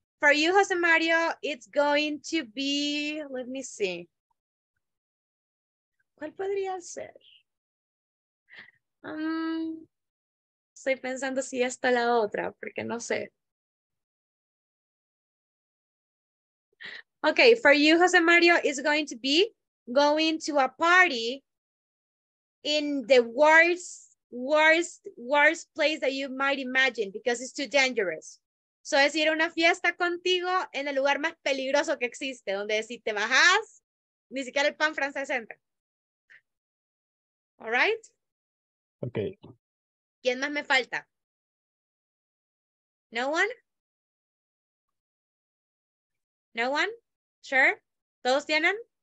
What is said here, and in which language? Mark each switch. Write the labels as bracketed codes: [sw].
[en] For you, Jose Mario, it's going to be, let me see. [es] ¿Cuál podría ser? Estoy pensando si esta la otra, porque no sé. [en] Okay. For you, Jose Mario, it's going to be going to a party in the worst place that you might imagine because it's too dangerous. [es] So es ir a una fiesta contigo en el lugar más peligroso que existe, donde si te bajas, ni siquiera el pan francés entra. [en] All right? Okay. [es] ¿Quién más me falta? [en] No one? Sure? [es] ¿Todos tienen?